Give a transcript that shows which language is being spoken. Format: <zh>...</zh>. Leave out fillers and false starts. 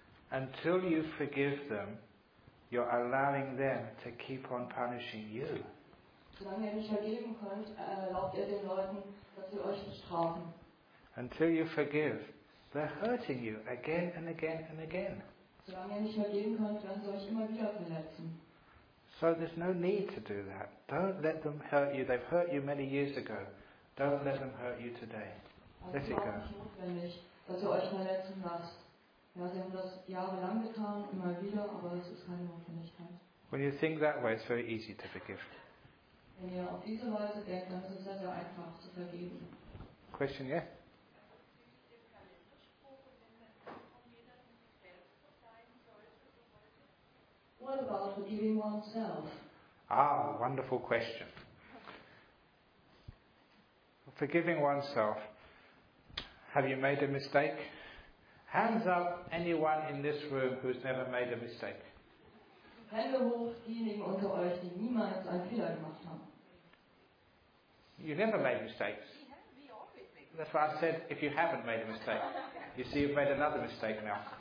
<en>Until you forgive them, you're allowing them to keep on punishing you.</en> <de>Solange ihr nicht vergeben könnt, erlaubt ihr den Leuten, dass sie euch bestrafen.</de> <en>Until you forgive, they're hurting you again and again and again.</en> <de>Solange ihr nicht vergeben könnt, werden sie euch immer wieder verletzen.</de> <en>So there's no need to do that. Don't let them hurt you. They've hurt you many years ago. Don't let them hurt you today. Let it go.</en> <de>Es ist auch nicht notwendig, dass ihr euch verletzen lasst. Ja, sie haben das jahrelang getan, immer wieder, aber es ist keine Notwendigkeit.</de> <en>When you think that way, it's very easy to forgive.</en> <de>Wenn ihr auf diese Weise denkt, dann ist es sehr, sehr einfach zu vergeben.</de> <en>Question, yeah? What about forgiving oneself? Ah, wonderful question. Forgiving oneself. Have you made a mistake? Hands up anyone in this room who's never made a mistake.</en> <de>Hände hoch diejenigen unter euch, die niemals einen Fehler gemacht haben.</de> <en>You never made mistakes. That's why I said, if you haven't made a mistake. You see, you've made another mistake now.</en>